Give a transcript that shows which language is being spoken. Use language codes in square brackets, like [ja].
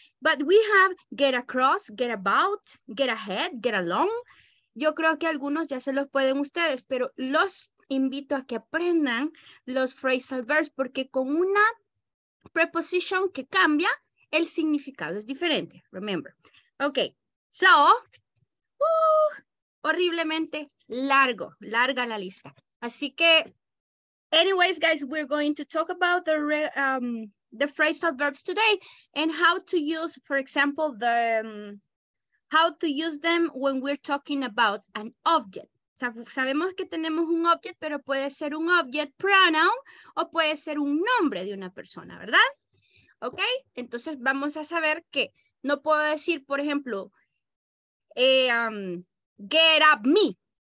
[en] But we have get across, get about, get ahead, get along. [es] Yo creo que algunos ya se los pueden ustedes, pero los invito a que aprendan los phrasal verbs porque con una preposición que cambia, el significado es diferente, remember. Okay, so, horriblemente largo, larga la lista. Así que, [en] anyways, guys, we're going to talk about the phrasal verbs today and how to use, for example, the how to use them when we're talking about an object. [es] Sabemos que tenemos un object, pero puede ser un object pronoun o puede ser un nombre de una persona, ¿verdad? Okay, entonces vamos a saber que no puedo decir, por ejemplo, [en] get up me.